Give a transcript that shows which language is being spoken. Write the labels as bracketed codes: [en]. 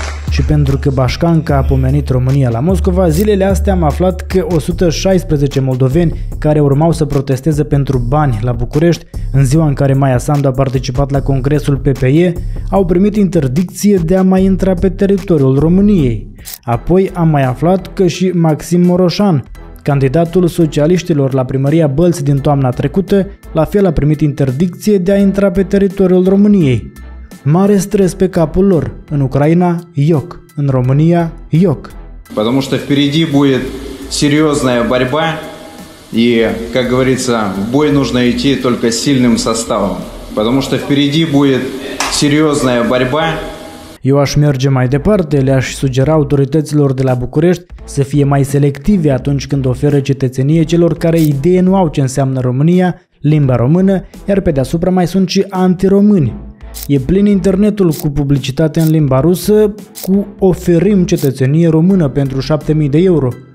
[ro] Și pentru că Bașcanca a pomenit România la Moscova, zilele astea am aflat că 116 moldoveni care urmau să protesteze pentru bani la București, în ziua în care Maia Sandu a participat la congresul PPE, au primit interdicție de a mai intra pe teritoriul României. Apoi am mai aflat că și Maxim Moroșan, candidatul socialiștilor la primăria Bălți din toamna trecută, la fel a primit interdicție de a intra pe teritoriul României. Mare stres pe capul lor. În Ucraina, ioc. În România, ioc. [ru] Потому что впереди будет серьёзная борьба, и, как говорится, в бой нужно идти только сильным составом. Потому что впереди будет серьёзная борьба. [ro] Eu aș merge mai departe, le-aș sugera autorităților de la București să fie mai selective atunci când oferă cetățenie celor care idee nu au ce înseamnă România, limba română, iar pe deasupra mai sunt și antiromâni. E plin internetul cu publicitate în limba rusă, cu oferim cetățenie română pentru 7.000 de euro.